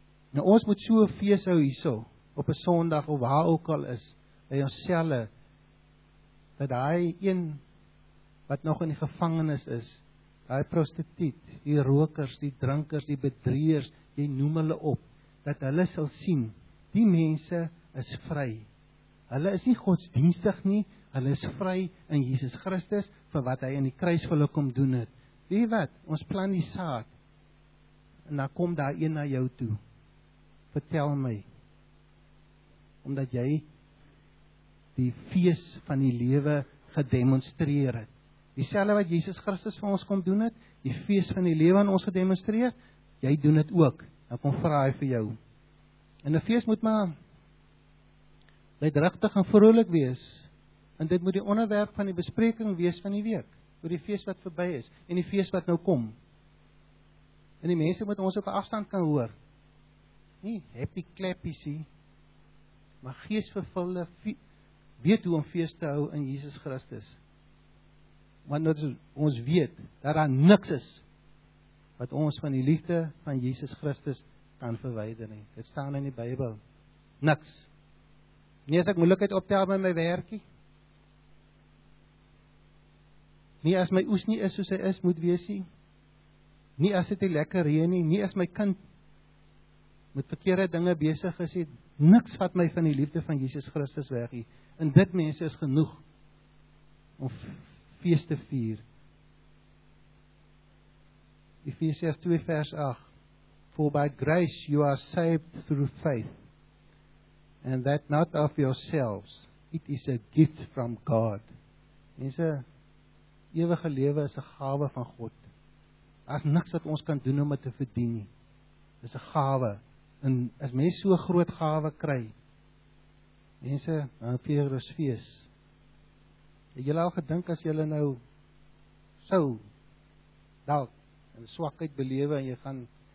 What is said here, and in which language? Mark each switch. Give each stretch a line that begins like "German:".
Afrikaans: Nou ons moet so feest hou hierso, op een Sondag of waar ook al is, by ons selle, dat hy een wat nog in die gevangenis is, die prostituut, die rokers, die drinkers, die bedrieërs, jy noem hulle op, dat hulle sal sien, die mense is vry. Hulle is nie godsdienstig nie, hulle is vry in Jesus Christus, vir wat hy in die kruis vir hulle kom doen het. Weet wat, ons plan die saad, en dan kom daar een na jou toe. Vertel my, omdat jy die feest van die lewe gedemonstreer het. Dieselfde wat Jesus Christus vir ons kom doen het, die feest van die lewe aan ons gedemonstreer, jy doen het ook, en kom vraag vir jou. En die feest moet maar luidruchtig en vrolik wees, en dit moet die onderwerp van die bespreking wees van die week, oor die feest wat voorbij is, en die feest wat nou kom. En die mense moet ons op afstand kan hoor, nie happy clappy sê, maar geestvervulde weet hoe om feest te hou in Jesus Christus. Want ons weet, dat daar niks is, wat ons van die liefde van Jesus Christus kan verwyder nie. Dit staan in die Bybel. Niks. Nie as ek moeilikheid optel met my werkie. Nie as my oes nie is soos hy is, moet wees nie. Nie as dit nie lekker reën nie. Nie as my kind met verkeerde dinge besig is nie. Niks vat my van die liefde van Jesus Christus weg nie. En dit mense is genoeg om feest te vier. Efesiërs 2 vers 8,
English: for by grace you are saved through faith, and that not of yourselves, it is a gift from God.
Afrikaans: Mense, ewige lewe is 'n gawe van God. Daar's niks wat ons kan doen om dit te verdien nie. Dis 'n gawe. En as mens so 'n groot gawe kry, mense, dan vier ons feest. Het julle al gedink as julle nou sou dalk in swakheid belewe en jy gaan